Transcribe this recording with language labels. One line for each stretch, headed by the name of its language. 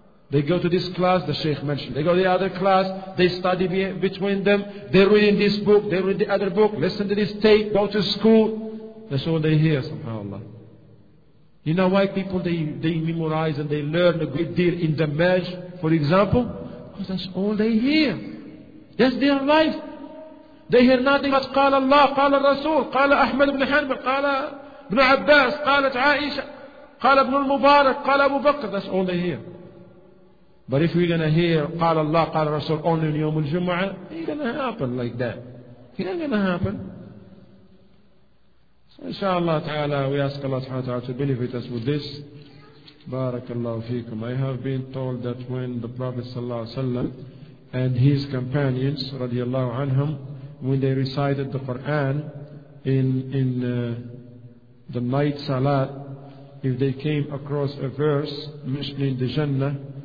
English: They go to this class, the Shaykh mentioned. They go to the other class, they study between them. They read in this book, they read the other book, listen to this tape, go to school. That's all they hear, subhanAllah. You know why people, they memorize and they learn a great deal in the marriage, for example? Because that's all they hear. That's their life. They hear nothing but
Arabic: قَالَ اللَّهُ قَالَ الرَّسُولُ قَالَ أَحْمَدُ بْنِ حَنْبَلٍ قَالَ ابْنُ عَبَّاسٍ قَالَتْ عَائِشَةُ قَالَ ابْنُ الْمُبَارَكِ قَالَ أَبُو بَكْرٍ.
English: That's all they hear. But if we're gonna hear
Arabic: قَالَ اللَّهُ قَالَ الرَّسُولُ
English: only on
Arabic: يَوْمُ الْجُمُعَةِ,
English: it ain't gonna happen like that. It ain't gonna happen. So inshaAllah ta'ala, we ask Allah subhanahu wa ta'ala to benefit us with this. Barakallahu feekum. I have been told that when the Prophet sallallahu alayhi wa sallam and his companions radiallahu anhum, when they recited the Quran in the night salat, if they came across a verse mentioning the Jannah,